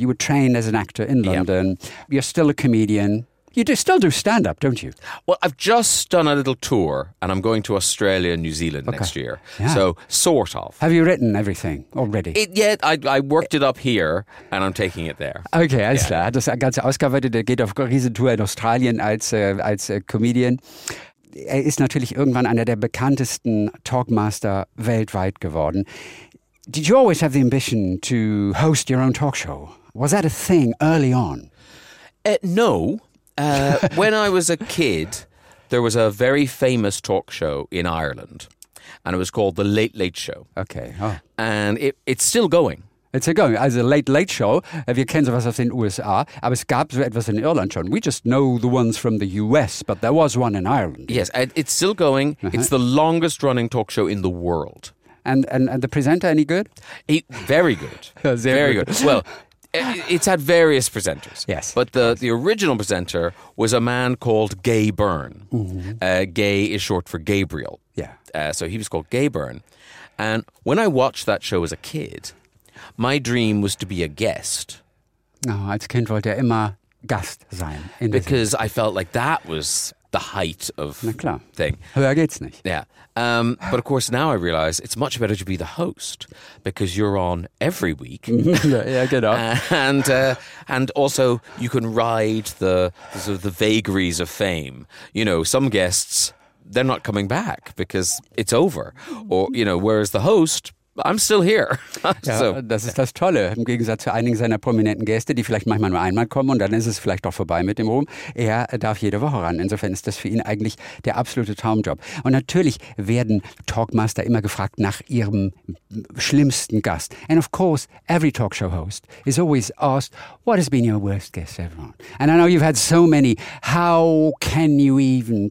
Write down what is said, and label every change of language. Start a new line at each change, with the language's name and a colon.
English: You were trained as an actor in London. Yep. You're still a comedian. You still do stand-up, don't you? Well, I've just done a little tour, and I'm going to Australia and New Zealand next year. Yeah. So, sort of. Have you written everything already? I worked it up here, and I'm taking it there.
German: Okay, alles klar. Das Ganze ausgearbeitet, er geht auf Riesentour in Australien als Comedian. Er ist natürlich irgendwann einer der bekanntesten Talkmaster weltweit geworden.
English: Did you always have the ambition to host your own talk show? Was that a thing early on? No. when I was a kid, there was a very famous talk show in Ireland, and it was called The Late Late Show. Okay. Oh. And it's still going. It's still going. As a Late Late Show,
German: wir kennen sowas aus den USA, aber es gab so etwas in Irland schon.
English: We just know the ones from the US, but there was one in Ireland. Yes, it's still going. Uh-huh. It's the longest running talk show in the world. And the presenter, any good? Very good. Very good. Well, it's had various presenters. Yes. But the original presenter was a man called Gay Byrne. Mm-hmm. Gay is short for Gabriel. Yeah. So he was called Gay Byrne. And when I watched that show as a kid, my dream was to be a guest.
German: Oh, als Kind wollte er immer Gast sein.
English: Because I felt like that was... the height of thing.
German: Höher geht's nicht.
English: Yeah. But of course, now I realize it's much better to be the host because you're on every week. yeah, get up. And also, you can ride the sort of the vagaries of fame. You know, some guests, they're not coming back because it's over. Or, you know, whereas the host, I'm still here.
German: So. Ja, das ist das Tolle. Im Gegensatz zu einigen seiner prominenten Gäste, die vielleicht manchmal nur einmal kommen und dann ist es vielleicht auch vorbei mit dem Ruhm. Er darf jede Woche ran. Insofern ist das für ihn eigentlich der absolute Traumjob. Und natürlich werden Talkmaster immer gefragt nach ihrem schlimmsten Gast.
English: And of course, every talkshow host is always asked, what has been your worst guest ever? And I know you've had so many. How can you even?